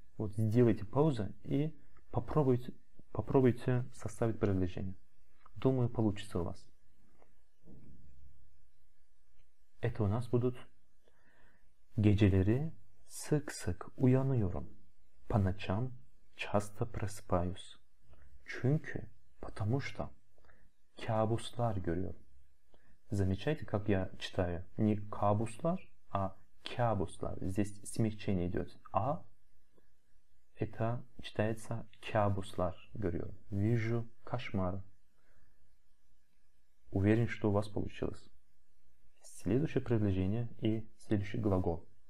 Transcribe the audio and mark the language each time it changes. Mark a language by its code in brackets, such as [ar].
[ru] Вот сделайте паузу и попробуйте составить предложение. Думаю, получится у вас. Это у нас будут [tr] geceleri sık-sık uyanıyorum. [ru] По ночам часто просыпаюсь. [tr] Çünkü, [ru] потому что [tr] kabuslar görüyorum. [ru] Замечаете, как я читаю? Не kabuslar, а kabuslar. Здесь смягчение идет. А это читается [tr] kabuslar görüyorum. [ru] Вижу кошмар. Уверен, что у вас получилось. Следующее предложение и следующий глагол.